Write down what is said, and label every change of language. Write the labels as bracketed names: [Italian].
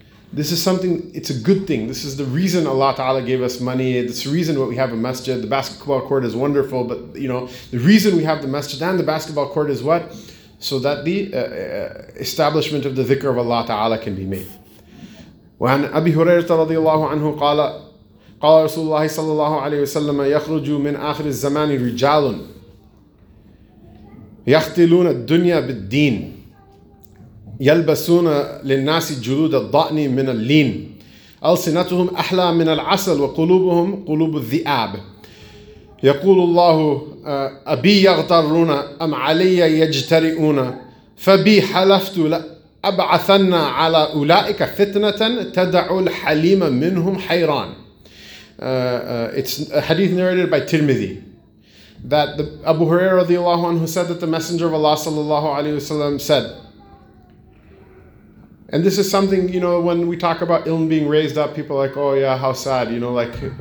[English] This is something, it's a good thing. This is the reason Allah Ta'ala gave us money. It's the reason what we have a masjid. The basketball court is wonderful, but you know, the reason we have the masjid and the basketball court is what? So that the establishment of the dhikr of Allah Ta'ala can be made. [Arabic] وعن أبي هريرة رضي الله عنه قال قال رسول الله صلى الله عليه وسلم يخرج من آخر الزمان رجال يختلون الدنيا بالدين يلبسون للناس جلود الضأن من اللين ألسنتهم أحلى من العسل وقلوبهم قلوب الذئاب يقول الله أبي يغترون أم علي يجترئون فبي حلفت أبعثنا على أولئك فتنة تدع الحليم منهم حيران. [English] It's a hadith narrated by Tirmidhi that the Abu Hurairah radiallahu anhu said that the Messenger of Allah sallallahu alaihi wasallam said. And this is something, you know, when we talk about ilm being raised up, people are like, oh yeah, how sad, you know, like.